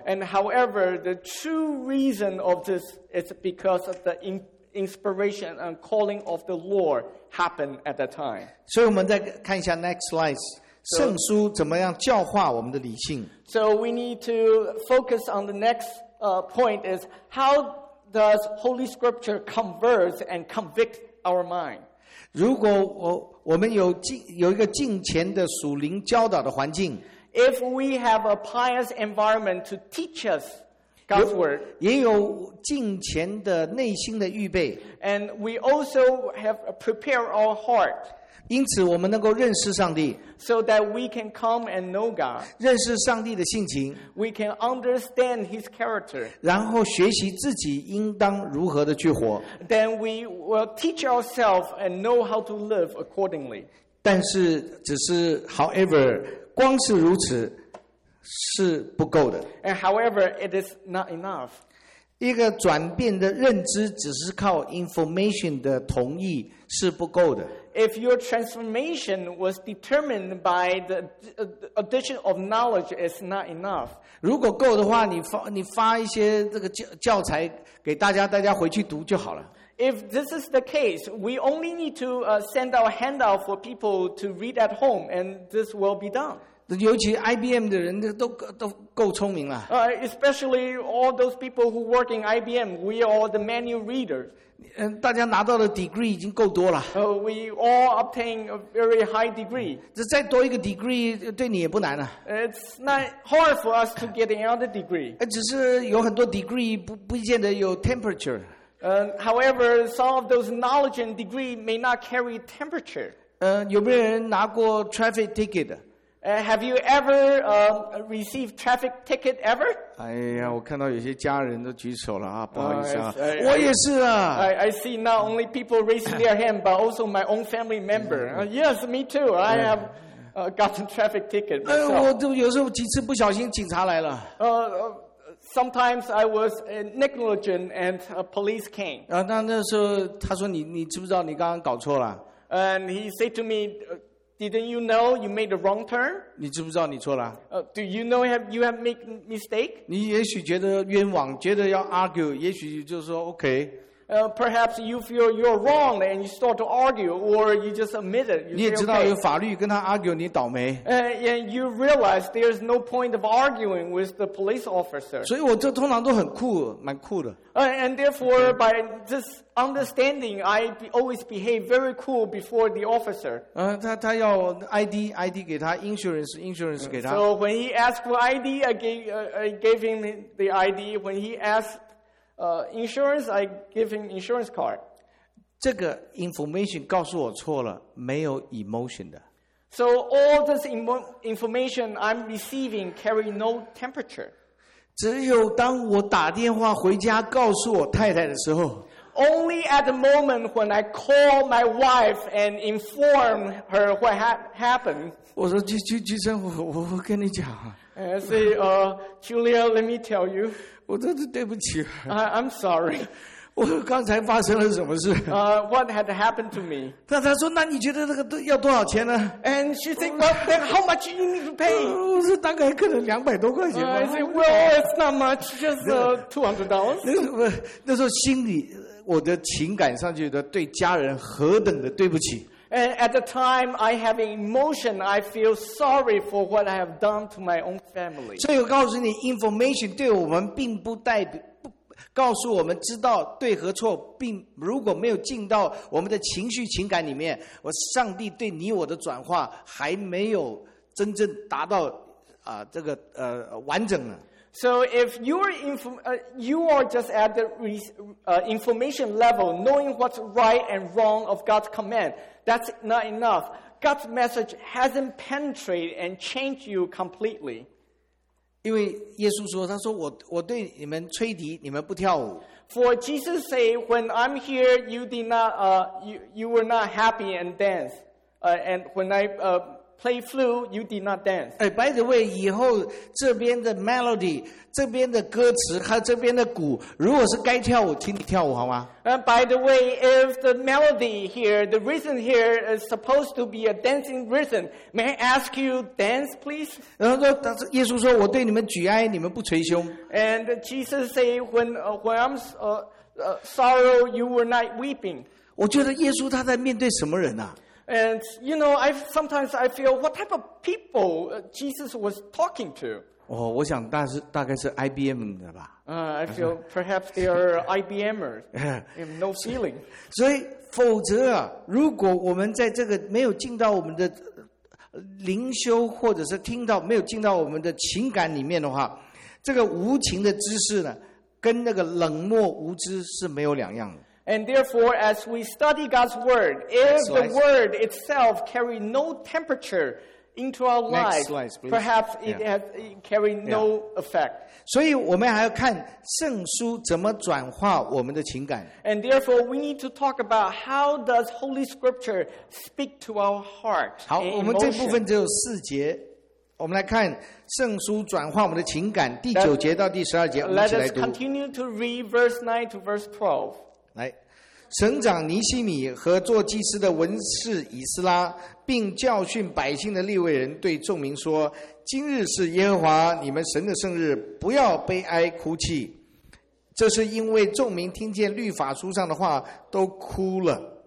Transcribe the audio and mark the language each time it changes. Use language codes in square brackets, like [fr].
[en] And however, the true reason of this is because of the inspiration and calling of the Lord happened at that time. [zh] 所以我们再看一下 [en] next slide, [zh] 圣书怎么样教化我们的理性。 [en] So we need to focus on the next point is how does Holy Scripture convert and convict our mind? [zh] 如果我们有一个敬虔的属灵教导的环境， [en] If we have a pious environment to teach us God's word, [zh] 也有敬虔的内心的预备， [en] And we also have prepared our heart, [zh] 因此我们能够认识上帝， [en] So that we can come and know God, [zh] 认识上帝的性情， [en] We can understand His character, [zh] 然后学习自己应当如何的去活， [en] Then we will teach ourselves and know how to live accordingly. [zh] 但是只是 [en] however, [zh] 光是如此是不够的。 [en] And however, it is not enough. [zh] 一个转变的认知只是靠 information 的同意是不够的。 [en] If your transformation was determined by the addition of knowledge, it's not enough. [zh] 如果够的话，你发一些这个教材给大家回去读就好了。 [en] If this is the case, we only need to send out a handout for people to read at home, and this will be done. [zh] 尤其 IBM 的人都够聪明了。 [en] Especially all those people who work in IBM, we are all the manual readers. [zh] 大家拿到的 degree 已经够多了。 [en] We all obtain a very high degree. [zh] 这再多一个 degree 对你也不难了。 [en] It's not hard for us to get another degree. [zh] 只是有很多 degree 不见得有 temperature. [en] However, some of those knowledge and degree may not carry temperature. [zh] 有没有人拿过 traffic ticket? [en] Have you ever received traffic ticket ever? [zh] 哎呀，我看到有些家人都举手了啊，不好意思啊，我也是啊。 [en] I see not only people raising their hand, but also my own family member. Yes, me too. I have gotten traffic ticket. [zh] 我都有时候几次不小心警察来了。 [en] Sometimes I was negligent and a police came. [zh] 那时候他说你知不知道你刚刚搞错了 [en] ？And he said to me. Didn't you know you made the wrong turn? [zh] 你知不知道你错了？ [en] Do you know you have made mistake? [zh] 你也许觉得冤枉，觉得要 argue， 也许就是说 OK。 [en] Perhaps you feel you're wrong and you start to argue, or you just admit it. [zh] 你也知道有法律跟他 argue， 你倒霉。 [en] And you realize there's no point of arguing with the police officer. [zh] 所以我这通常都很酷，蛮酷的。 [en] And therefore, by this understanding, I always behave very cool before the officer. [zh] 他要 ID 给他 insurance 给他。 [en] So when he asked for ID, I gave him the ID. When he asked. Insurance, I give him insurance card. [zh] 这个 information 告诉我错了，没有 emotion 的。 [en] So all this information I'm receiving carry no temperature. [zh] 只有当我打电话回家告诉我太太的时候。 [en] Only at the moment when I call my wife and inform her what happened. [zh] 我说居生，我跟你讲。 [en] And I say, Julia, let me tell you. [zh] 我真是对不起。 [en] I'm sorry. [zh] 我刚才发生了什么事？ [en] What had happened to me? [zh] 他说，那你觉得这个要多少钱呢？ [en] And she said, well, then how much you need to pay? [zh] 是大概可能$200多。 [en] I said, well, it's not much, just $200. [zh] 那时候心里，我的情感上觉得对家人何等的对不起。 [en] And at the time, I have an emotion. I feel sorry for what I have done to my own family. [zh] 所以我告诉你 ，information 对我们并不代表不告诉我们知道对和错，并如果没有进到我们的情绪情感里面，我上帝对你我的转化还没有真正达到啊、这个完整呢。 [en] So if you are just at the information level, knowing what's right and wrong of God's command, that's not enough. God's message hasn't penetrated and changed you completely. [zh] 因为耶稣说，他说我对你们吹笛，你们不跳舞。 [en] For Jesus say, when I'm here, you did not you were not happy and dance. And when I play flute, you did not dance. Hey, by the way, [zh] 以后这边的 melody, 这边的歌词和这边的鼓，如果是该跳舞，请你跳舞好吗？ [en] By the way, if the melody here, the rhythm here is supposed to be a dancing rhythm, may I ask you dance, please? [zh] 然后说，但是耶稣说，我对你们举哀，你们不捶胸。 [en] And Jesus say, when I'm sorrow, you were not weeping. [zh] 我觉得耶稣他在面对什么人啊？ [en] And you know, I sometimes feel what type of people Jesus was talking to. [zh] Oh, 我想大概是 IBM 的吧。 [en] I feel perhaps they are IBMers. No feeling. [zh] 所以否则啊，如果我们在这个没有进到我们的灵修，或者是听到没有进到我们的情感里面的话，这个无情的知识呢，跟那个冷漠无知是没有两样的。 [en] And therefore, as we study God's word, if the word itself carry no temperature into our lives, perhaps it has carry no effect. [zh] 所以我们还要看圣书怎么转化我们的情感。 [en] And therefore, we need to talk about how does Holy Scripture speak to our heart. [zh] 好，我们这部分只有四节。我们来看圣书转化我们的情感第九节到第十二节，我们一起来读。 [en] Let us continue to read verse 9 to verse 12. [zh] 来，省长尼西米和做祭司的文士以斯拉，并教训百姓的利未人，对众民说：今日是耶和华你们神的圣日，不要悲哀哭泣。这是因为众民听见律法书上的话，都哭了。